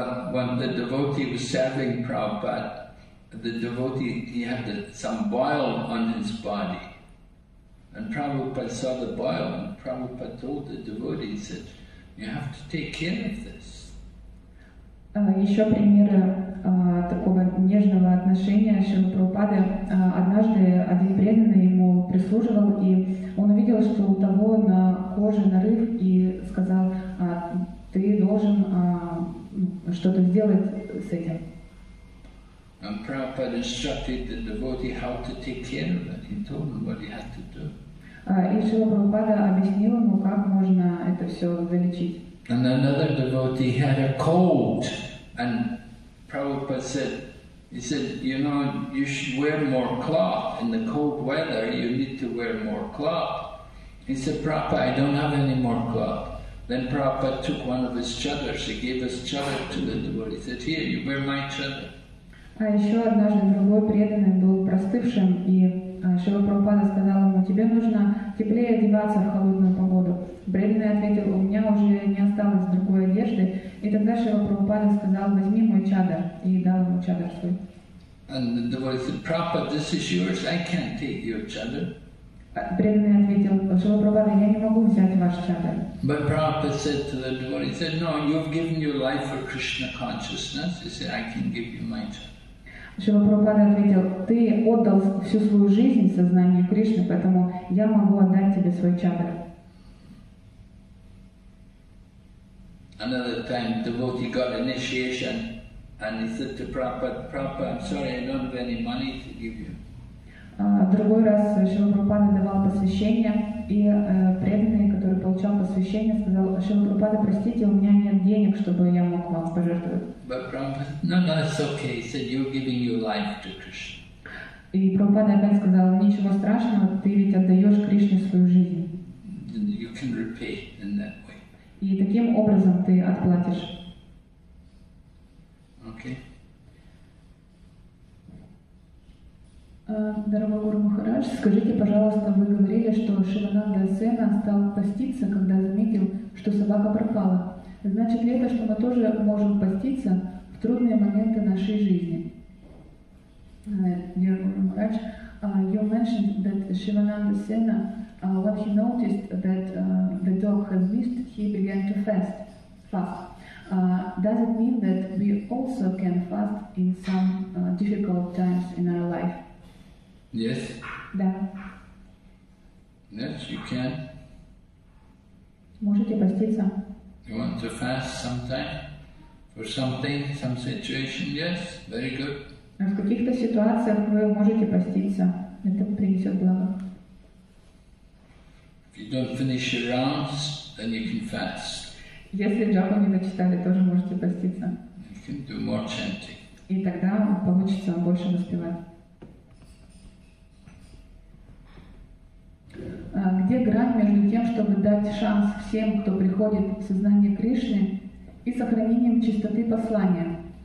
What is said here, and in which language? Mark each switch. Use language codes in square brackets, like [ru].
[en] When the devotee was serving Prabhupada, the devotee, he had some boil on his body. And Prabhupada saw the boil, and Prabhupada told the devotee, he said, you have to take care of this. [ru] Еще примеры такого нежного отношения Шрилы Прабхупады. Однажды один преданный ему прислуживал, и он увидел, что у того на коже нарыв, и сказал, ты должен что-то сделать с этим. [en] And Prabhupada instructed the devotee how to take care of it. He told him what he had to do. [ru] И Шрила Прабхупада объяснил ему, как можно это все залечить. [en] And another devotee had a cold, and Prabhupada said, he said, you know, you should wear more cloth in the cold weather, you need to wear more cloth. He said, Prabhupada, I don't have any more cloth. Then Prabhupada took one of his chadars, he gave his chadar to the devotee, he said, here, you wear my chadar. [ru] А еще однажды другой преданный был простывшим, и Шрила Прабхупада сказал ему, тебе нужно теплее одеваться в холодную погоду. Преданный ответил, у меня уже не осталось другой одежды. И тогда Шрила Прабхупада сказал, возьми мой чадар, и дал ему чадар свой. [en] And the devotee said, Prabhupada, this is yours, I can't take your chadar. [ru] Преданный ответил, Шрила Прабхупада, я не могу взять ваш чадар. [en] But Prabhupada said to the devotee, he said, no, you've given your life for Krishna consciousness. He said, I can give you my chadar. [ru] Шрила Прабхупада ответил, ты отдал всю свою жизнь сознанию Кришны, поэтому я могу отдать тебе свой чадар. [en] Another time devotee got initiation and he said to Prabhupada, I'm sorry, I don't have any money to give you. [ru] Другой раз Шрила Прабхупада давал посвящение, и преданный, который получал посвящение, сказал, Шрила Прабхупада, простите, у меня нет денег, чтобы я мог вам пожертвовать. [en] But Prabhupada, no, it's okay. He said, you're giving your life to Krishna. [ru] И Прабхупада опять сказал, ничего страшного, ты ведь отдаешь Кришне свою жизнь. [en] Then you can repay in that way. [ru] И таким образом ты отплатишь. [en] Okay. [ru] Дорогой Гуру Махарадж, скажите, пожалуйста, вы говорили, что Шивананда Сена стал поститься, когда заметил, что собака пропала. Значит ли это, что мы тоже можем поститься в трудные моменты нашей жизни? [en] Dear Guru Maharaj, you mentioned that Shivananda Sena, when he noticed that the dog has missed, he began to fast. Does it mean that we also can fast in some difficult times in our life? Yes. Yeah. Yes, you can. [ru] Можете поститься? [en] You want to fast sometime for something, some situation? Yes, very good. [ru] В каких-то ситуациях вы можете поститься. Это принесет благо. [en] If you don't finish your rounds, then you can fast. [ru] Если джапу не дочитали, тоже можете поститься. [en] You can do more chanting. [ru] И тогда получится больше воспевать. Где грань между тем, чтобы дать шанс всем, кто приходит в сознание Кришны, и сохранением чистоты послания?